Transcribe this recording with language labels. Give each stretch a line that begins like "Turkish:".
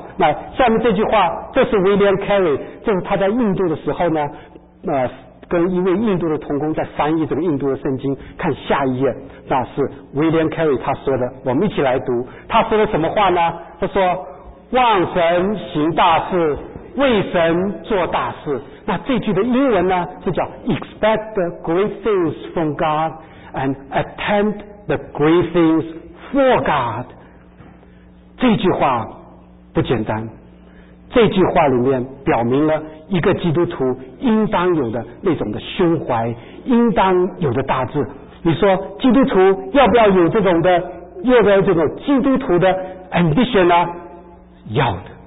Chinese: 那下面这句话，这是 William Carey， 这是他在印度的时候呢，跟一位印度的同工在翻译这个印度的圣经，看下一页，那是 William Carey 他说的，我们一起来读。他说了什么话呢？他说：“ 望神行大事，为神做大事。那这句的英文呢，就叫
English: expect great things from God and attempt the great things for God。
Chinese: 这句话不简单，这句话里面表明了一个基督徒应当有的那种的胸怀，应当有的大志。你说基督徒要不要有这种的，要不要这种基督徒的 ambition 呢？要的。